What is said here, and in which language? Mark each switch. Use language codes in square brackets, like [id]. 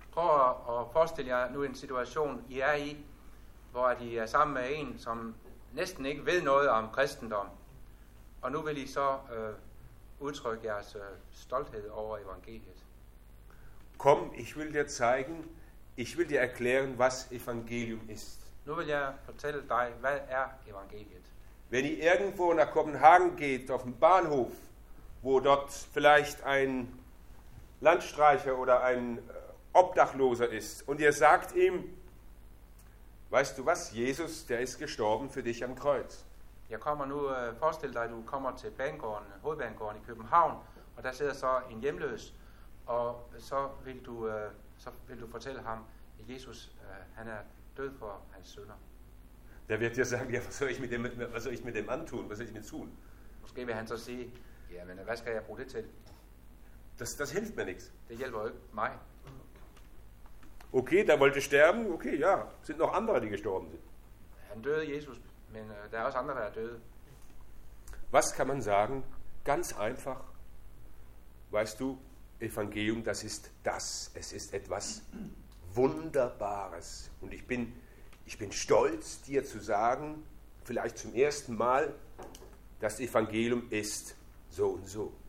[da] Prøv at forestille jer nu en situation, I er i, hvor I er sammen med en, som næsten ikke ved noget om kristendom. Og nu vil I så udtrykke jeres stolthed over evangeliet. [de] Kom, ich will dir zeigen, ich will dir erklären, was evangelium ist. [da] Nu vil jeg fortælle dig, hvad er evangeliet. [de] Wenn I irgendwo nach Kopenhagen geht, auf den Bahnhof, wo dort vielleicht ein Landstreicher oder ein Obdachloser ist und ihr sagt ihm, weißt du was, Jesus, der ist gestorben für dich am Kreuz. [da] Jeg kommer nu, forestil dig, du kommer til Banegården, Hovedbanegården i København, og der sidder så en hjemløs, og så vil du, fortælle ham, at Jesus, han er død for hans synder. [de] Der wird dir sagen, ja, was soll ich mit dem antun, was soll ich mit tun? [da] Måske vil han så sige, ja, men hvad skal jeg bruge det til? [de] Das hilft mir nichts. [da] Det hjælper jo ikke mig. [de] Okay, der wollte sterben. Okay, ja, sind noch andere, die gestorben sind. [da] Han døde Jesus, men der er også andre, der er døde. [de] Was kann man sagen? Ganz einfach. Weißt du, Evangelium, das ist das. Es ist etwas Wunderbares. Und ich bin stolz, dir zu sagen, vielleicht zum ersten Mal, das Evangelium ist so und so.